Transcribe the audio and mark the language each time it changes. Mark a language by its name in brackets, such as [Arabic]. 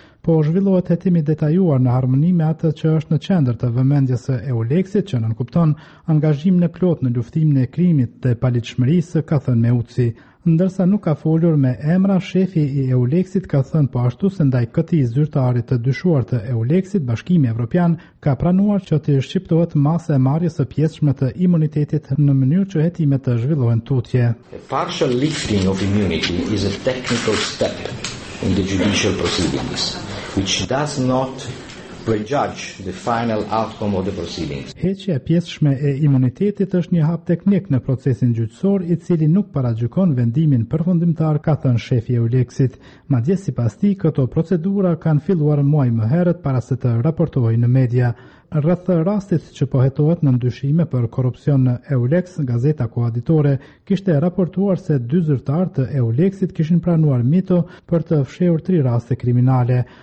[Albanian] Po zhvillohet hetimi detajuar në harmoni me atë që është në qendër të vëmendjes së EULEX-it, që nënkupton angazhim në plot në luftimin e krimit të paligjshmërisë, ka thënë Meuci. Ndërsa nuk ka folur me emra, shefi i EULEX-it ka thënë po ashtu se ndaj këtij zyrtari të dyshuar të EULEX-it, Bashkimi Evropian ka pranuar që të shqiptohet masa e marrjes së pjesëshme të imunitetit në mënyrë që hetimet të zhvillohen tutje. [English] A partial lifting of immunity is a technical step in the judicial proceedings, which does not prejudge the final outcome of the proceedings. [Albanian] Heqja e pjesëshme e imunitetit është një hap teknik në procesin gjyqësor i cili nuk paragjykon vendimin përfundimtar, ka thënë shefi EULEX-it. Madje sipas tij, këto procedura kanë filluar muaj më herët para se të raportohej në media. Rreth rastit që po hetohet në ndyshime për korrupsion në EULEX, gazeta kohaditore kishte raportuar se dy zyrtarë të EULEX-it kishin pranuar mito për të fshehur tri raste kriminale.